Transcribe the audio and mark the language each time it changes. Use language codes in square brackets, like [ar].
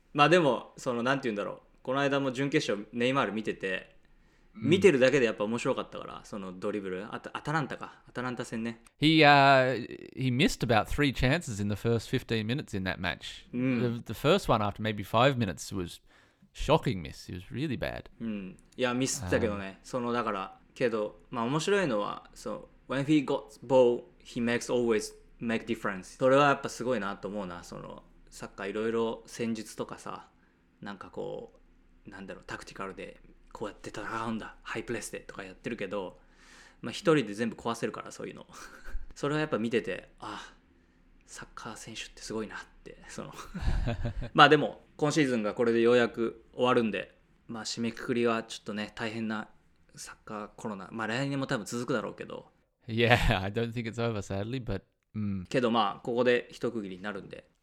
[ja] まあでも、そのなんて言うんだろう。この間も準決勝ネイマール見てて、見てるだけでやっぱ面白かったから、そのドリブル。アタランタ戦ね。 [en] He missed about three chances in the first 15 minutes in that match. The first one after maybe 5 minutes was shocking miss. It was really bad. [ja] うん。いや、ミスったけどね。そのだから、けど、まあ面白いのは、そう、 [en] when he got ball, he makes always make difference. [ja] それはやっぱすごいなと思うな。そのサッカーいろいろ戦術とかさ、なんかこう、なんだろう、タクティカルで。こうやって戦うんだハイプレスでとかやってるけど、まあ、一人で全部壊せるからそういうのそれはやっぱ見てて、あ、サッカー選手ってすごいなってそのまあでも今シーズンがこれでようやく終わるんで、まあ、締めくくりはちょっとね大変なサッカーコロナ、まあ、来年も多分続くだろうけど、 [en] Yeah, I don't think it's over sadly, but、 [ja] けどまあここで一区切りになるんで。